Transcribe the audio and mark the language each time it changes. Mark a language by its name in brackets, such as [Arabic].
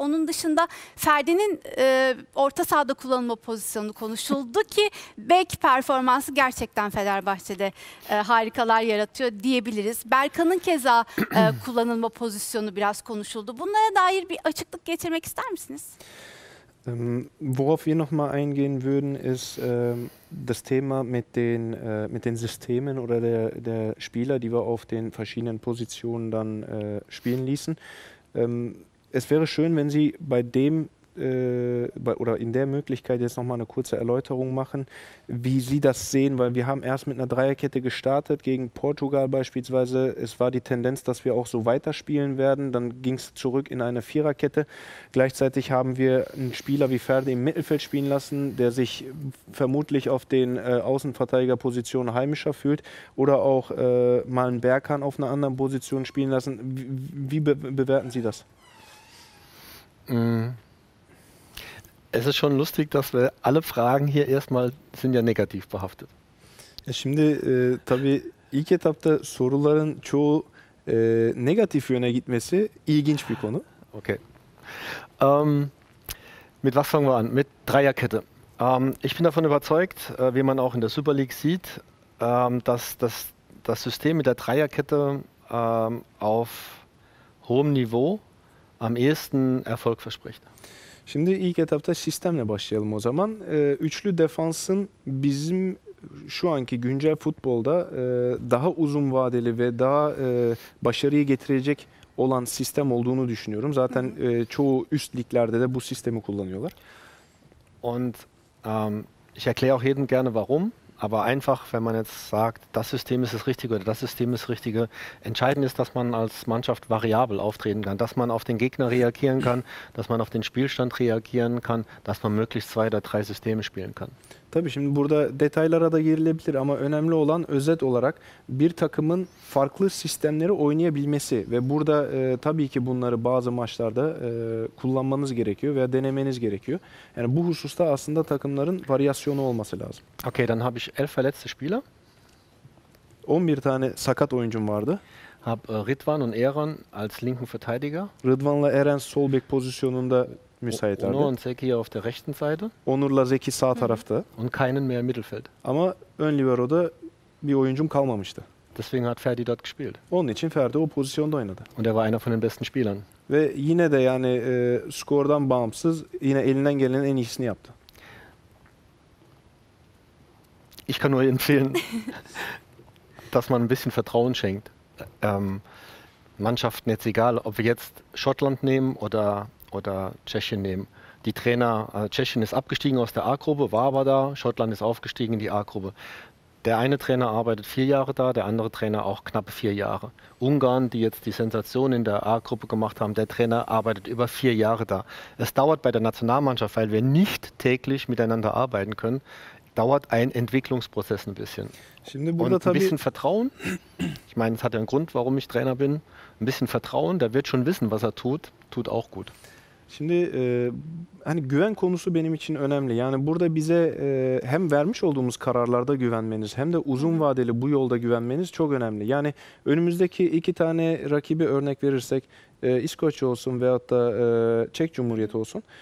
[Turkish] Onun dışında Ferdi'nin orta sahada kullanılma pozisyonu konuşuldu ki bek performansı gerçekten Fenerbahçe'de harikalar yaratıyor diyebiliriz. Berkan'ın keza kullanılma pozisyonu biraz konuşuldu. Bunlara dair bir açıklık getirmek ister misiniz? [German] Worauf wir nochmal eingehen würden, ist das Thema mit den Systemen oder der Spieler, die wir auf den verschiedenen Positionen dann spielen ließen. Es wäre schön, wenn Sie bei dem oder in der Möglichkeit jetzt nochmal eine kurze Erläuterung machen, wie Sie das sehen, weil wir haben erst mit einer Dreierkette gestartet gegen Portugal beispielsweise. Es war die Tendenz, dass wir auch so weiterspielen werden. Dann ging es zurück in eine Viererkette. Gleichzeitig haben wir einen Spieler wie Ferdi im Mittelfeld spielen lassen, der sich vermutlich auf den Außenverteidigerpositionen heimischer fühlt oder auch mal einen Berkan auf einer anderen Position spielen lassen. Wie bewerten Sie das? Es ist schon lustig, dass wir alle Fragen hier erstmal sind ja negativ behaftet. [Turkish] Ja, şimdi tabii ilk etapta soruların çoğu negatif yöne gitmesi ilginç bir konu. Okay. [German] Mit was fangen wir an? Mit Dreierkette. Ich bin davon überzeugt, wie man auch in der Super League sieht, dass das System mit der Dreierkette auf hohem Niveau am ehesten Erfolg verspricht. [Turkish] Şimdi ilk etapta sistemle başlayalım o zaman. Üçlü defansın bizim şu anki güncel futbolda daha uzun vadeli ve daha başarıyı getirecek olan sistem olduğunu düşünüyorum. Zaten çoğu üst liglerde de bu sistemi kullanıyorlar. [German] Und ich erkläre auch jedem gerne warum, aber einfach, wenn man jetzt sagt, das System ist das Richtige oder das System ist das Richtige, entscheidend ist, dass man als Mannschaft variabel auftreten kann, dass man auf den Gegner reagieren kann, dass man auf den Spielstand reagieren kann, dass man möglichst zwei oder drei Systeme spielen kann. [Turkish] Tabii şimdi burada detaylara da girilebilir ama önemli olan özet olarak bir takımın farklı sistemleri oynayabilmesi ve burada tabii ki bunları bazı maçlarda kullanmanız gerekiyor veya denemeniz gerekiyor. Yani bu hususta aslında takımların varyasyonu olması lazım. [German] Okay, dann habe ich 11 verletzte Spieler. [Turkish] 11 tane sakat oyuncum vardı. [German] Hab Ridwan und Eren als linken Verteidiger. [Turkish] Ridwan'la Eren sol bek pozisyonunda müsaitlerdi. [German] Onur und Zeki auf der rechten Seite. [Turkish] Onur'la Zeki sağ tarafta. [German] Und keinen mehr im Mittelfeld. [Turkish] Ama ön libero'da bir oyuncum kalmamıştı. [German] Deswegen hat Ferdi dort gespielt. [Turkish] Onun için Ferdi o pozisyonda oynadı. [German] Und war einer von den besten Spielern. [Turkish] Ve yine de yani skordan bağımsız yine elinden gelenin en iyisini yaptı. [German] Ich kann nur empfehlen, dass man ein bisschen Vertrauen schenkt. Mannschaften jetzt egal, ob wir jetzt Schottland nehmen oder Tschechien nehmen. Die Trainer, Tschechien ist abgestiegen aus der A-Gruppe, war aber da, Schottland ist aufgestiegen in die A-Gruppe. Der eine Trainer arbeitet 4 Jahre da, der andere Trainer auch knappe 4 Jahre. Ungarn, die jetzt die Sensation in der A-Gruppe gemacht haben, der Trainer arbeitet über 4 Jahre da. Es dauert bei der Nationalmannschaft, weil wir nicht täglich miteinander arbeiten können, dauert ein Entwicklungsprozess ein bisschen. [Turkish] Şimdi [German] und ein bisschen Vertrauen. Ich meine, es hat ja einen Grund, warum ich Trainer bin. Ein bisschen Vertrauen, der wird schon wissen, was er tut, tut auch gut. [Turkish] Şimdi hani güven konusu benim için önemli. Yani burada bize hem vermiş olduğumuz kararlarda güvenmeniz hem de uzun vadeli bu yolda güvenmeniz çok önemli. Yani önümüzdeki iki tane rakibi örnek verirsek İskoçya olsun veyahut da Çek Cumhuriyeti olsun.